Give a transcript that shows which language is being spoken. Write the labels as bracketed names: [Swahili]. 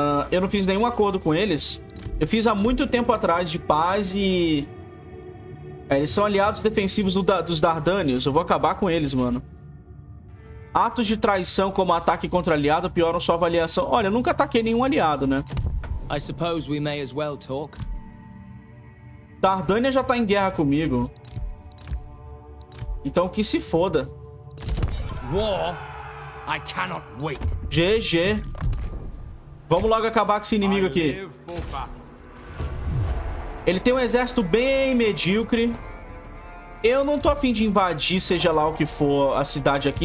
[Portuguese] Eu não fiz nenhum acordo com eles. Eu fiz há muito tempo atrás de paz e... É, eles são aliados defensivos dos Dardanios. Eu vou acabar com eles, mano. Atos de traição como ataque contra aliado pioram sua avaliação. Olha, eu nunca ataquei nenhum aliado, né? [English] I suppose we may as well talk. [Portuguese] Dardania já tá em guerra comigo. Então que se foda. [English] War? I cannot wait. GG. [Portuguese] Vamos logo acabar com esse inimigo aqui. Ele tem um exército bem medíocre. Eu não tô afim de invadir, seja lá o que for, a cidade aqui.